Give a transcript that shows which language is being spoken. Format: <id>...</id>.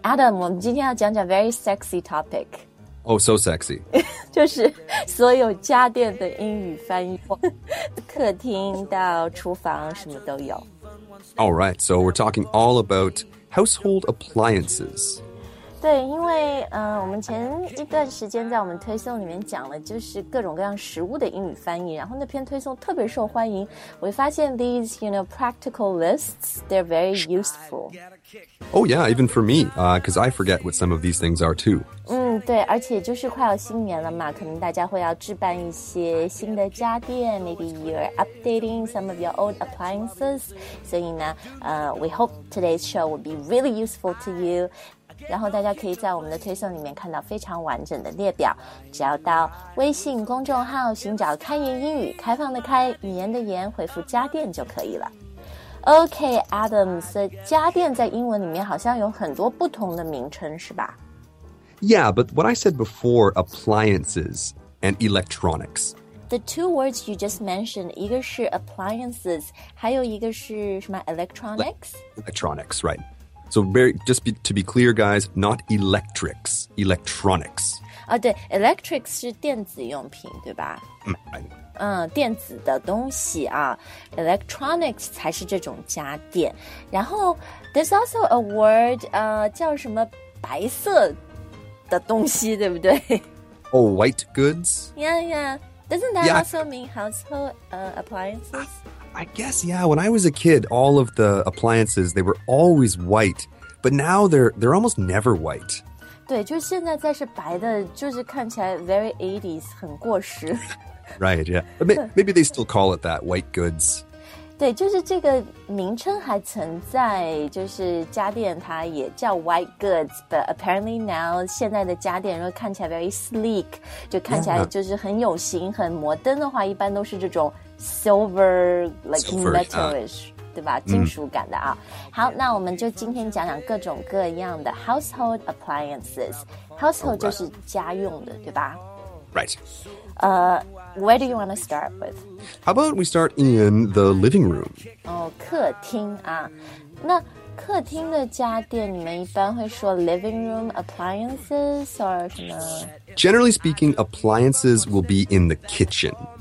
<zh>Adam, 我们今天要讲讲</zh> <en>very sexy topic. Oh, so sexy.</en> <zh>就是所有家电的英语翻译，客厅到厨房什么都有。</zh> <en>All right, so we're talking all about household appliances.</en> <zh>对，因为我们前一段时间在我们推送里面讲了就是各种各样食物的英语翻译，然后那篇推送特别受欢迎。我发现</zh> <en>these, you know, practical lists, they're very useful. Oh yeah, even for me, because I forget what some of these things are too.</en> <zh>对，而且就是快要新年了嘛，可能大家会要置办一些新的家电，</zh> <en>maybe you're updating some of your old appliances.</en> <zh>所以呢，</zh> <en>we hope today's show will be really useful to you.</en> <zh>然后大家可以在我们的推送里面看到非常完整的列表，只要到微信公众号寻找开言英语，开放的开，语言的言，回复家电就可以了。 OK Adam, so 家电在英文里面好像有很多不同的名称是吧？</zh> <en>Yeah, but what I said before, appliances and electronics. The two words you just mentioned,</en> <zh>一个是</zh> <en>appliances,</en> <zh>还有一个是什么</zh> <en>electronics? Electronics, right. So to be clear, guys, not electrics, electronics.</en> <zh>啊，对 ，electrics 是电子用品，对吧？</zh> <en>Right.</en> <zh>电子的东西啊 ，electronics 才是这种家电。然后 ，</zh> <en>there's also a word,</en> <zh>叫什么白色的东西，对不对</zh> <en>？Oh, white goods. Yeah, yeah. Doesn't that also mean household, appliances? I guess, yeah, when I was a kid, all of the appliances, they were always white, but now they're almost never white.</en> <zh>对，就现在再是白的，就是看起来</zh> <en>very 80s,</en> <zh>很过时。</zh> <en>Right, yeah. But maybe they still call it that, white goods.</en> <zh>对，就是这个名称还存在，就是家电它也叫 white goods,</zh> <en>but apparently now,</en> <zh>现在的家电如果看起来</zh> <en>very sleek,</en> <zh>就看起来就是很有型，很摩登的话，一般都是这种Silver,</zh> <en>like metalish,</en> <zh>对吧？金属感的啊。好，那我们就今天讲讲各种各样的 household appliances. Household 就是家用的，对吧</zh> <en>？Right. Where do you want to start with? How about we start in the living room?</en> <zh>哦，客厅啊。那客厅的家电，你们一般会说 living room appliances or 什么</zh> <en>？Generally speaking, appliances will be in the kitchen.</en>